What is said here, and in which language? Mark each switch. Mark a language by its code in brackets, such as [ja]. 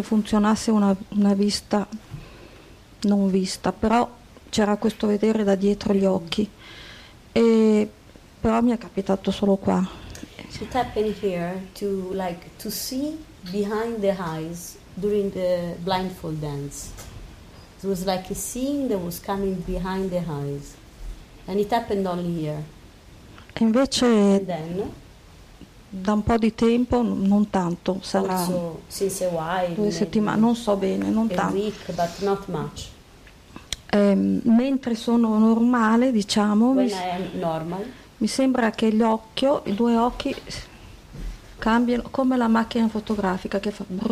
[it] che funzionasse una vista non vista, però c'era questo vedere da dietro gli occhi. E, però mi è capitato solo qua. [en] So it happened here to like to see behind the eyes during the blindfold dance. It was like a seeing that was coming behind the eyes, and it happened only here. [it] Invece, [en] and then, [it] da un po' di tempo, non tanto, sarà [en] also, since a while, [it] due settimane, non so bene, non a tanto. [en] A week, but not much. [it] Mentre sono normale, diciamo. [en] When I am normal. [it] Mi sembra che gli occhi, i due occhi, cambiano come la macchina fotografica che fa.